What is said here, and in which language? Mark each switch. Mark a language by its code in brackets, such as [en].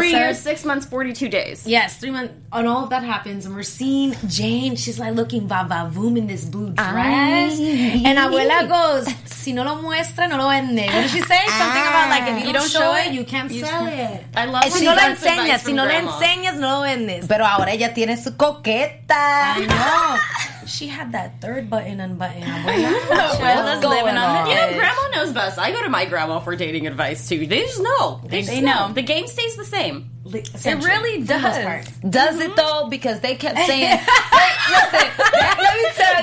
[en] 3 years, 6 months, 42 days. Yes, 3 months. And all of that happens. And we're seeing Jane. She's, like, looking va-va-voom in this blue dress. And Abuela goes, [es] si no lo muestra, no lo vende. [en] What did she say? Something about, like, if you don't show it, you can't sell it. I love when you don't show it. [es] Si no lo enseñas, no lo vendes. Pero ahora ella tiene su coqueta. [en] I know. She had that third button unbuttoned. Abuela's living on it. You know, grandma knows best. I go to my grandma for dating advice, too. They just know. They know. The game stays the same. It really does. Does it though? Because they kept saying, "Wait, listen, let me tell you,